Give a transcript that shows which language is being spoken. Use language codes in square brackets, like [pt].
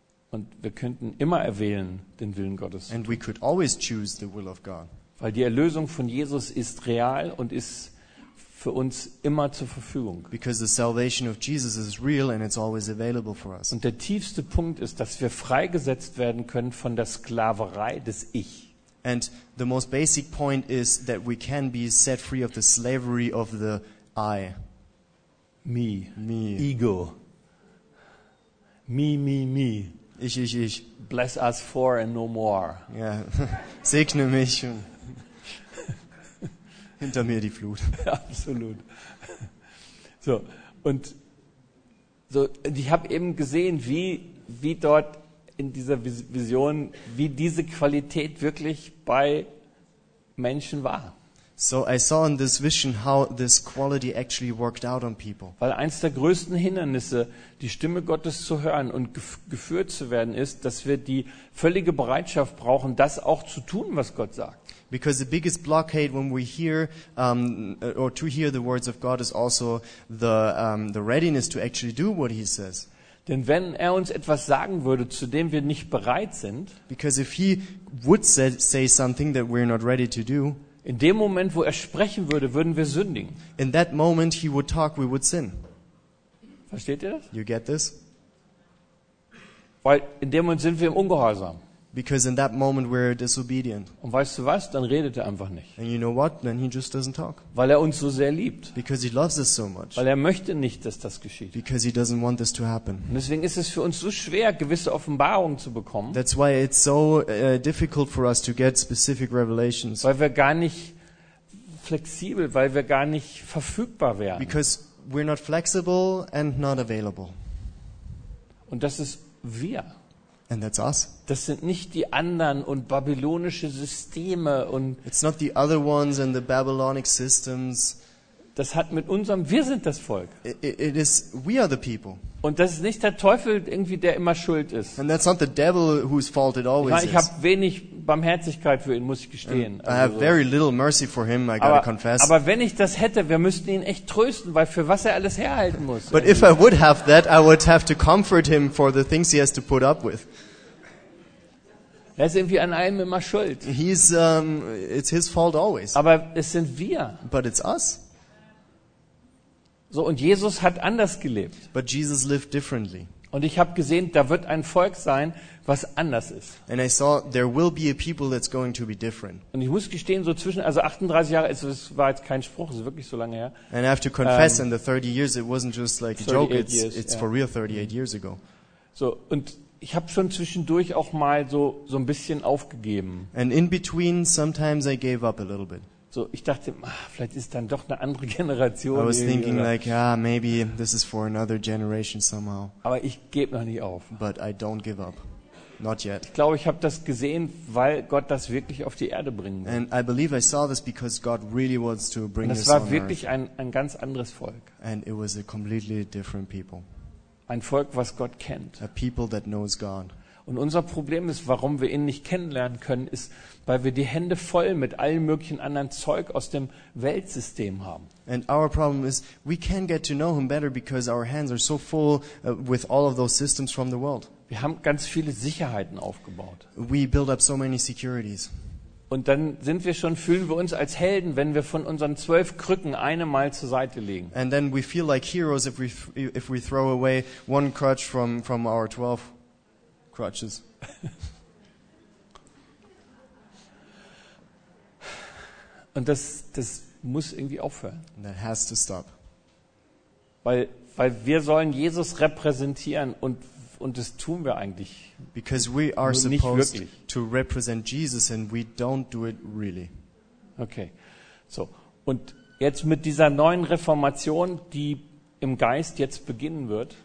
[de] Und wir könnten immer erwählen den Willen Gottes. [en] And we could always choose the will of God. [de] Weil die Erlösung von Jesus ist real und ist für uns immer zur Verfügung. [en] Because the salvation of Jesus is real and it's always available for us. [de] Und der tiefste Punkt ist, dass wir freigesetzt werden können von der Sklaverei des Ich. [en] And the most basic point is that we can be set free of the slavery of the I. Me. Ego. Me. [de] Ich. [en] Bless us for and no more. [de] Ja. Segne mich. Hinter mir die Flut. Absolut. So, und so, ich habe eben gesehen, wie dort in dieser Vision, wie diese Qualität wirklich bei Menschen war. [en] So I saw in this vision how this quality actually worked out on people. [de] Weil eins der größten Hindernisse, die Stimme Gottes zu hören und geführt zu werden, ist, dass wir die völlige Bereitschaft brauchen, das auch zu tun, was Gott sagt. [en] Because the biggest blockade when we hear or to hear the words of God is also the readiness to actually do what he says. [de] Denn wenn er uns etwas sagen würde, zu dem wir nicht bereit sind, [en] because if he would say something that we're not ready to do, [de] in dem Moment, wo er sprechen würde, würden wir sündigen. [en] In that moment he would talk, we would sin. [de] Versteht ihr das? [en] You get this? [de] Weil in dem Moment sind wir im Ungehorsam. [en] Because in that moment we're disobedient. [de] Und weißt du was? Dann redet er einfach nicht. [en] And you know what? Then he just doesn't talk. [de] Weil er uns so sehr liebt. [en] Because he loves us so much. [de] Weil er möchte nicht, dass das geschieht. [en] Because he doesn't want this to happen. [de] Und deswegen ist es für uns so schwer, gewisse Offenbarungen zu bekommen. [en] That's why it's so difficult for us to get specific revelations. [de] Weil wir gar nicht flexibel, weil wir gar nicht verfügbar wären. [en] Because we're not flexible and not available. [de] Und das ist wir. [en] And that's us. [de] Das sind nicht die anderen und babylonische Systeme und [en] it's not the other ones and the Babylonic systems. [de] Das hat mit unserem wir sind das Volk. [en] It is we are the people. [de] Und das ist nicht der Teufel irgendwie, der immer schuld ist. [en] And that's not the devil whose fault it always is. [de] Ich habe wenig Barmherzigkeit für ihn, muss ich gestehen. [en] I have very little mercy for him, I gotta confess. [de] Aber wenn ich das hätte, wir müssten ihn echt trösten, weil für was er alles herhalten muss. [en] But if I would have that, I would have to comfort him for the things he has to put up with. [de] Er ist irgendwie an allem immer schuld. [en] He's it's his fault always. [de] Aber es sind wir. [en] But it's us. [de] So, und Jesus hat anders gelebt. [en] But Jesus lived differently. [de] Und ich habe gesehen, da wird ein Volk sein, was anders ist. [en] And I saw there will be a people that's going to be different. [de] Und ich muss gestehen, so zwischen also 38 Jahre, es war jetzt kein Spruch, es ist wirklich so lange her. [en] And I have to confess in the 30 years it wasn't just like a joke, it's for real 38 years ago. [de] So, und ich habe schon zwischendurch auch mal so ein bisschen aufgegeben. [en] And in between sometimes I gave up a little bit. [de] So, ich dachte, vielleicht ist dann doch eine andere Generation. [en] I was thinking like, maybe this is for another generation somehow. [de] Aber ich gebe noch nicht auf. [en] But I don't give up. Not yet. [de] Ich glaube, ich habe das gesehen, weil Gott das wirklich auf die Erde bringen will. [en] And I believe I saw this because God really wants to bring this on earth. [de] Und es war wirklich ein ganz anderes Volk. [en] And it was a completely different people. [de] Ein Volk, was Gott kennt. [en] A people that knows God. [de] Und unser Problem ist, warum wir ihn nicht kennenlernen können, ist, weil wir die Hände voll mit allem möglichen anderen Zeug aus dem Weltsystem haben. [en] And our problem is, we can't get to know him better because our hands are so full with all of those systems from the world. [de] Wir haben ganz viele Sicherheiten aufgebaut. [en] We build up so many securities. [de] Und dann sind wir schon, fühlen wir uns als Helden, wenn wir von unseren 12 Krücken eine mal zur Seite legen. [en] And then we feel like heroes if we throw away one crutch from our 12 crutches. [de] Und das muss irgendwie aufhören. [en] And that has to stop. [de] Weil wir sollen Jesus repräsentieren und das tun wir eigentlich. [en] Because we are supposed to represent Jesus and we don't do it really. Okay. [de] So, und jetzt mit dieser neuen Reformation, die im Geist jetzt beginnen wird.